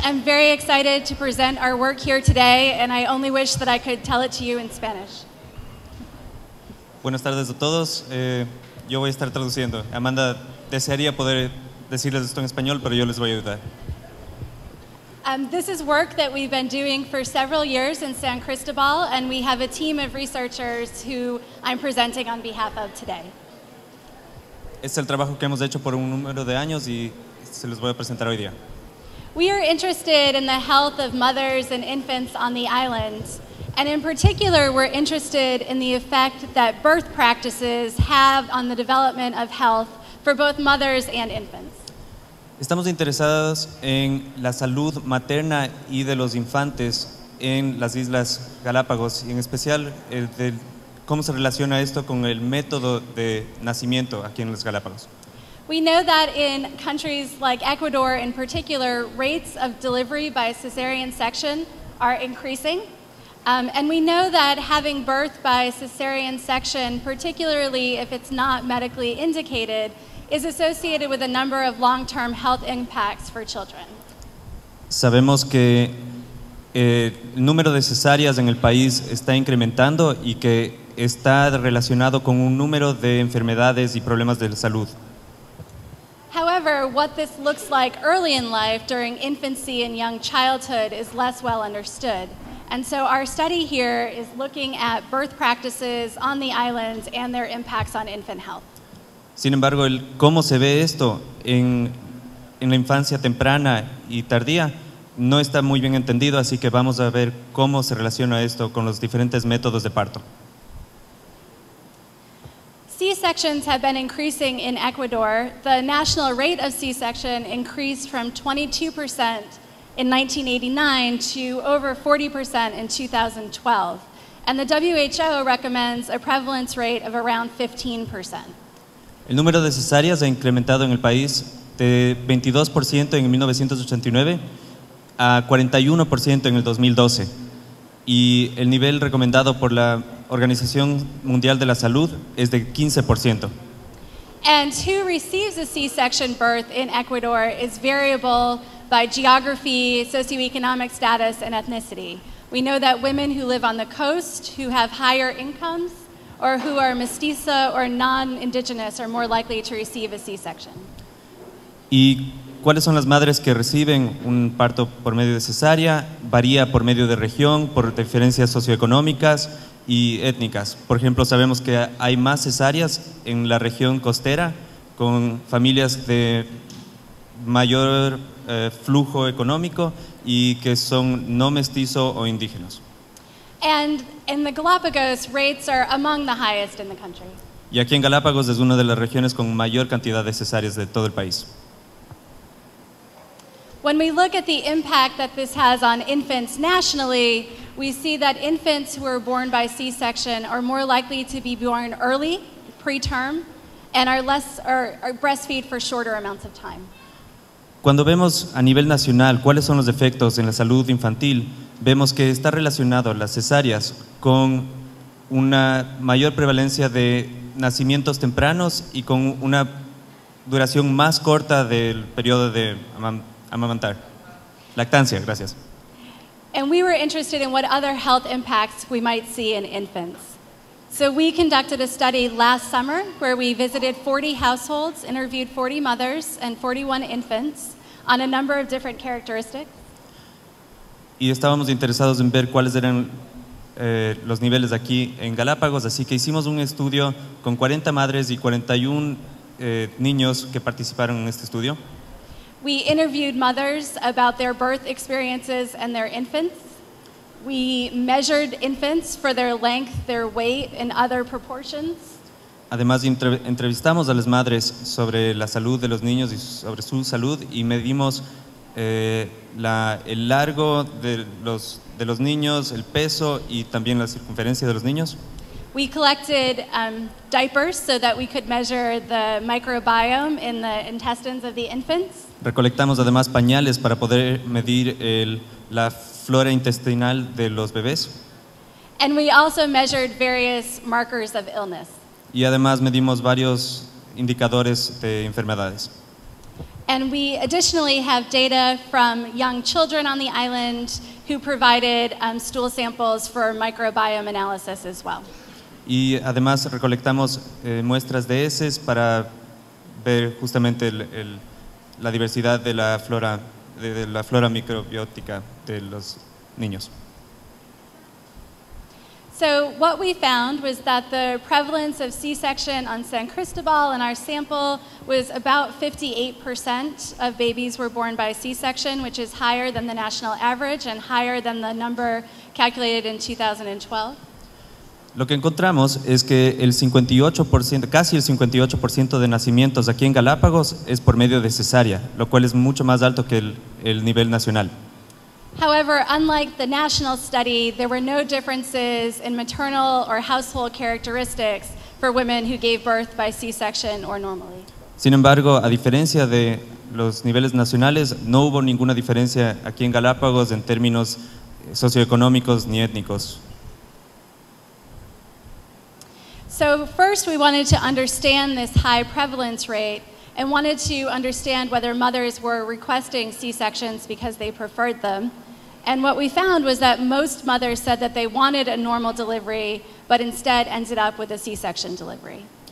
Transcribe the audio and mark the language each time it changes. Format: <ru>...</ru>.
<en>I'm very excited to present our work here today, and I only wish that I could tell it to you in Spanish.</en> <es>Buenas tardes a todos. Yo voy a estar traduciendo. Amanda desearía poder decirles esto en español, pero yo les voy a ayudar.</es> <en>This is work that we've been doing for several years in San Cristobal, and we have a team of researchers who I'm presenting on behalf of today.</en> <es>Es el trabajo que hemos hecho por un número de años y se los voy a presentar hoy día.</es> <en>We are interested in the health of mothers and infants on the island, and in particular, we're interested in the effect that birth practices have on the development of health for both mothers and infants.</en> <es>Estamos interesados en la salud materna y de los infantes en las Islas Galápagos, y en especial de cómo se relaciona esto con el método de nacimiento aquí en las Galápagos.</es> <en>We know that in countries like Ecuador in particular, rates of delivery by cesarean section are increasing. And we know that having birth by cesarean section, particularly if it's not medically indicated, is associated with a number of long-term health impacts for children.</en> <es>Sabemos que el número de cesáreas en el país está incrementando y que está relacionado con un número de enfermedades y problemas de salud.</es> <en>However, what this looks like early in life, during infancy and young childhood, is less well understood. And so our study here is looking at birth practices on the island and their impacts on infant health.</en> <es>Sin embargo, el cómo se ve esto en la infancia temprana y tardía no está muy bien entendido, así que vamos a ver cómo se relaciona esto con los diferentes métodos de parto.</es> <en>C-sections have been increasing in Ecuador. The national rate of C-section increased from 22% in 1989 to over 40% in 2012. And the WHO recommends a prevalence rate of around 15%.</en> <es>El número de cesáreas ha incrementado en el país de 22% en 1989 a 41% en el 2012. Y el nivel recomendado por la Organización Mundial de la Salud es de 15%.</es> <en>And who receives a C-section birth in Ecuador is variable by geography, socioeconomic status, and ethnicity. We know that women who live on the coast, who have higher incomes, or who are mestiza or non-indigenous are more likely to receive a C-section.</en> <es>¿Y cuáles son las madres que reciben un parto por medio de cesárea? Varía por medio de región, por diferencias socioeconómicas y étnicas. Por ejemplo, sabemos que hay más cesáreas en la región costera con familias de mayor flujo económico y que son no mestizo o indígenas.</es> <en>And in the Galapagos, rates are among the highest in the country.</en> <es>Y aquí en Galápagos es una de las regiones con mayor cantidad de cesáreas de todo el país.</es> <en>When we look at the impact that this has on infants nationally, we see that infants who are born by C-section are more likely to be born early, preterm, and are breastfeed for shorter amounts of time.</en> <es>Cuando vemos a nivel nacional cuáles son los efectos en la salud infantil, vemos que está relacionado las cesáreas con una mayor prevalencia de nacimientos tempranos y con una duración más corta del periodo de amamantar. Lactancia, gracias.</es> <en>And we were interested in what other health impacts we might see in infants. So we conducted a study last summer where we visited 40 households, interviewed 40 mothers and 41 infants on a number of different characteristics.</en> <es>Y estábamos interesados en ver cuáles eran los niveles aquí en Galápagos, así que hicimos un estudio con 40 madres y 41 niños que participaron en este estudio.</es> <en>We interviewed mothers about their birth experiences and their infants. We measured infants for their length, their weight, and other proportions.</en> <es>Además, entrevistamos a las madres sobre la salud de los niños y sobre su salud, y medimos el largo de los niños, el peso, y también la circunferencia de los niños.</es> <en>We collected diapers so that we could measure the microbiome in the intestines of the infants.</en> <es>Recolectamos además pañales para poder medir la flora intestinal de los bebés.</es> <en>And we also measured various markers of illness.</en> <es>Y además medimos varios indicadores de enfermedades.</es> <en>And we additionally have data from young children on the island who provided stool samples for microbiome analysis as well.</en> <es>Y además recolectamos muestras de heces para ver justamente la diversidad de la flora de la flora microbiótica de los niños.</es> <en>So what we found was that the prevalence of C-section on San Cristobal in our sample was about 58% of babies were born by C-section, which is higher than the national average and higher than the number calculated in 2012.</en> <es>Lo que encontramos es que el 58%, casi el 58% de nacimientos aquí en Galápagos es por medio de cesárea, lo cual es mucho más alto que el nivel nacional.</es> <en>However, unlike the national study, there were no differences in maternal or household characteristics for women who gave birth by C-section or normally.</en> <es>Sin embargo, a diferencia de los niveles nacionales, no hubo ninguna diferencia aquí en Galápagos en términos socioeconómicos ni étnicos.</es> <en>So first we wanted to understand this high prevalence rate and wanted to understand whether mothers were requesting C-sections because they preferred them. And what we found was that most mothers said that they wanted a normal delivery, but instead ended up with a C-section delivery.</en>